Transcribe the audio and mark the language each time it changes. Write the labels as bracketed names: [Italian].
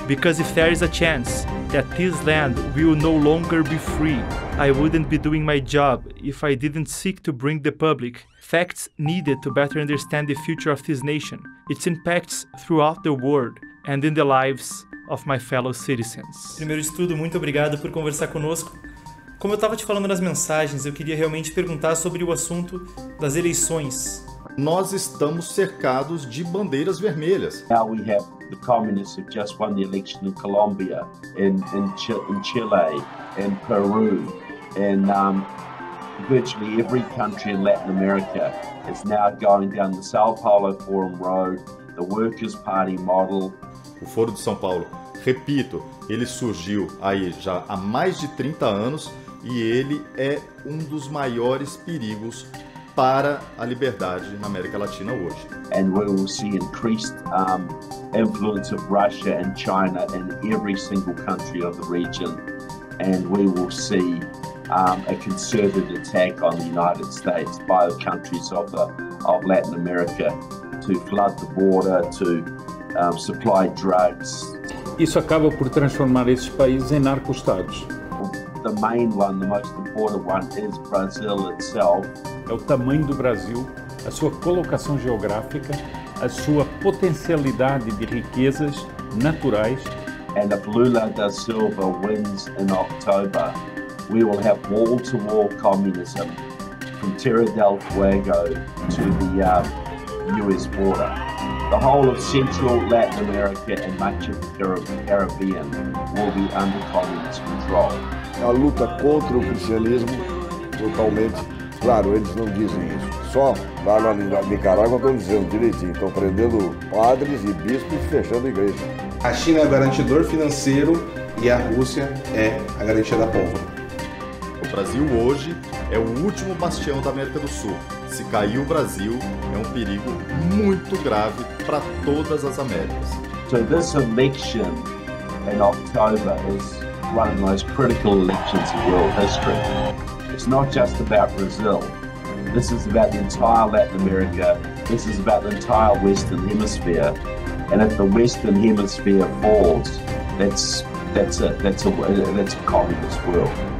[English] Because if there is a chance that this land will no longer be free, I wouldn't be doing my job if I didn't seek to bring the public facts needed to better understand the future of this nation, its impacts throughout the world, and in the lives of my fellow citizens. [Portuguese] Primeiro de tudo, muito obrigado por conversar conosco. Como eu estava te falando nas mensagens, eu queria realmente perguntar sobre o assunto das eleições. Nós estamos cercados de bandeiras vermelhas. [English] Now we have the communists have just won the election in Colombia, in Chile, in Peru, and virtually every country in Latin America is now going down the Sao Paulo Forum Road, the Workers' Party model. [Portuguese] O Foro de São Paulo, repito, ele surgiu aí já há mais de 30 anos e ele é um dos maiores perigos para a liberdade na América Latina hoje. [English] And we will see increased influence of Russia and China in every single country of the region, and we will see a concerted attack on the United States by the countries of Latin America to flood the border, to supply drugs. [Portuguese] Isso acaba por transformar esses países em narco-estados. [English] The main one, the most important one, is Brazil itself. [Portuguese] É o tamanho do Brasil, a sua colocação geográfica, a sua potencialidade de riquezas naturais. [English] And if Lula da Silva wins in October, we will have wall-to-wall communism from Terra del Fuego to the U.S. border. The whole of Central Latin America and much of the Caribbean will be under communist control. [Portuguese] É a luta contra o cristianismo totalmente. Claro, eles não dizem isso. Só lá na Nicarágua estão dizendo direitinho. Estão prendendo padres e bispos e fechando igreja. A China é o garantidor financeiro e a Rússia é a garantia da pólvora. O Brasil hoje é o último bastião da América do Sul. Se cair o Brasil, é um perigo muito grave para todas as Américas. [English] So this election in October is one of the most critical elections in world history. It's not just about Brazil. This is about the entire Latin America. This is about the entire Western Hemisphere. And if the Western Hemisphere falls, that's a communist world.